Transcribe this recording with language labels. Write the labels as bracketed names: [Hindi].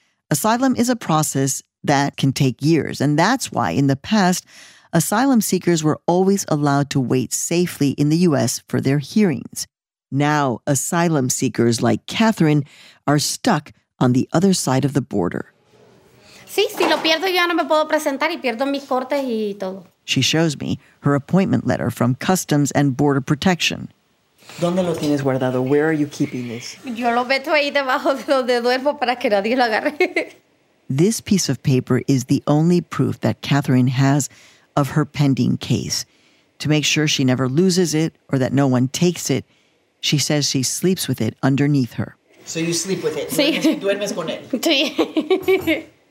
[English] Asylum is a process that can take years, and that's why in the past, asylum seekers were always allowed to wait safely in the U.S. for their hearings. Now, asylum seekers like Catherine are stuck on the other side of the border. [Spanish] Sí, si lo pierdo, yo no me puedo presentar y pierdo mis cortes y todo. [English] She shows me her appointment letter from Customs and Border Protection. [Spanish] ¿Dónde lo tienes guardado? [English] Where are you keeping this? [Spanish] Yo lo meto ahí debajo de donde duermo para que nadie lo agarre. [English] This piece of paper is the only proof that Catherine has of her pending case. To make sure she never loses it or that no one takes it, she says she sleeps with it underneath her. So you sleep with it? [Spanish] Sí. Duermes con él. Sí.